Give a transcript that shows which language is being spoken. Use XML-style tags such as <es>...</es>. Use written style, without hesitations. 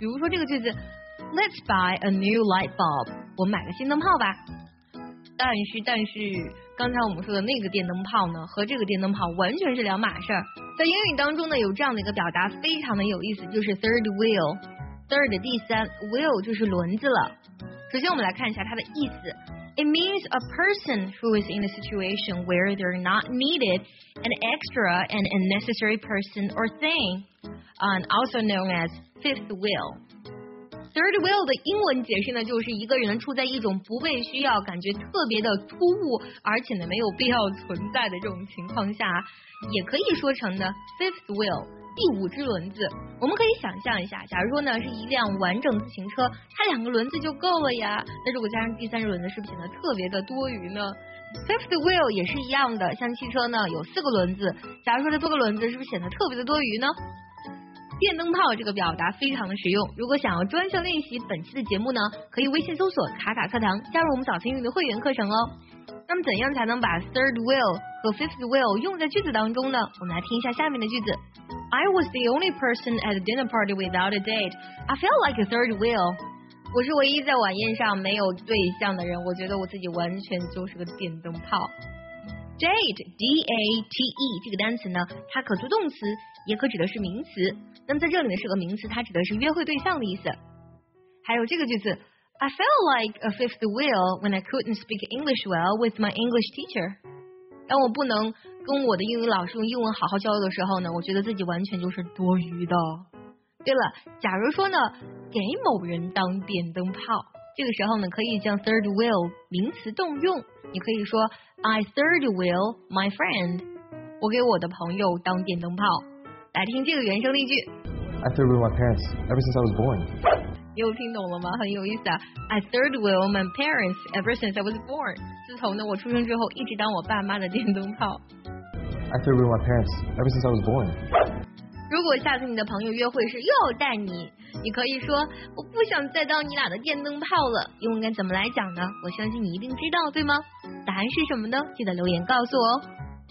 <zh>比如说这个句子 ，</zh> <en>Let's buy a new light bulb，</en> <zh>我们买个新灯泡吧。但是，刚才我们说的那个电灯泡呢，和这个电灯泡完全是两码事儿。在英语当中呢，有这样的一个表达，非常的有意思，就是 third wheel， third 第三 ，wheel 就是轮子了。首先我们来看一下它的意思。</zh> <en>It means a person who is in a situation where they're not needed, an extra and unnecessary person or thing, and also known as fifth wheel.</en> <zh>Third wheel 的英文解释呢，就是一个人处在一种不被需要、感觉特别的突兀，而且呢没有必要存在的这种情况下，也可以说成呢 fifth wheel。第五只轮子，我们可以想象一下，假如说呢是一辆完整自行车，它两个轮子就够了呀。那如果加上第三只轮子，是不是显得特别的多余呢 ？Fifth wheel 也是一样的，像汽车呢有四个轮子，假如说这多个轮子，是不是显得特别的多余呢？电灯泡这个表达非常的实用，如果想要专项练习本期的节目呢，可以微信搜索卡卡课堂，加入我们早晨英语的会员课程哦。那么怎样才能把 third wheel 和 fifth wheel 用在句子当中呢？我们来听一下下面的句子。</zh> <en>I was the only person at the dinner party without a date. I felt like a third wheel.</en> <zh>我是唯一在晚宴上没有对象的人，我觉得我自己完全就是个电灯泡。 Date, D-A-T-E, 这个单词呢，它可做动词，也可指的是名词。那么在这里呢是个名词，它指的是约会对象的意思。还有这个句子，</zh> <en>I felt like a fifth wheel when I couldn't speak English well with my English teacher.</en> <zh>当我不能跟我的英语老师用英文好好交流的时候呢，我觉得自己完全就是多余的。对了，假如说呢，给某人当电灯泡，这个时候呢，可以将 third wheel 名词动用，你可以说</zh> <en>I third wheel my friend，</en> <zh>我给我的朋友当电灯泡。来听这个原声例句。</zh> <en>I third wheel my parents ever since I was born。</en> <zh>又听懂了吗？很有意思啊。</zh> <en>I third wheel my parents ever since I was born。</en> <zh>自从呢我出生之后，一直当我爸妈的电灯泡。</zh> <en>I third wheel my parents ever since I was born。</en> <zh>如果下次你的朋友约会是又带你，你可以说我不想再当你俩的电灯泡了。英文该怎么来讲呢？我相信你一定知道，对吗？答案是什么呢？记得留言告诉我哦。</zh>